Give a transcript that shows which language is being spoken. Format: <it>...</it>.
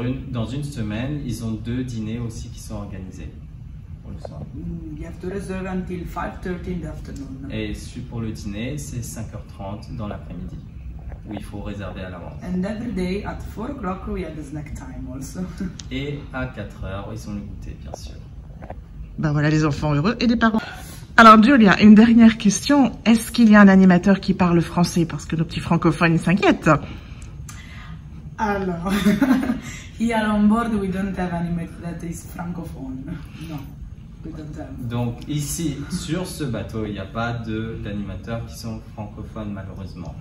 <fr>Dans une semaine, ils ont 2 dîners aussi qui sont organisés pour le soir.</fr> <en>You have to reserve until 5:30 in the afternoon.</en> <fr>Et pour le dîner, c'est 5h30 dans l'après-midi où il faut réserver à l'avance.</fr> <en>And every day at 4 o'clock we have the snack time also.</en> <fr>Et à 4h, ils ont le goûter, bien sûr. Ben voilà, les enfants heureux et les parents. Alors, Julia, une dernière question. Est-ce qu'il y a un animateur qui parle français? Parce que nos petits francophones, ils s'inquiètent.</fr> <en>Alors, here on board, we don't have animator that is francophone. Non, we don't have.</en> <fr>Donc, ici, sur ce bateau, il n'y a pas d'animateurs qui sont francophones, malheureusement.</fr>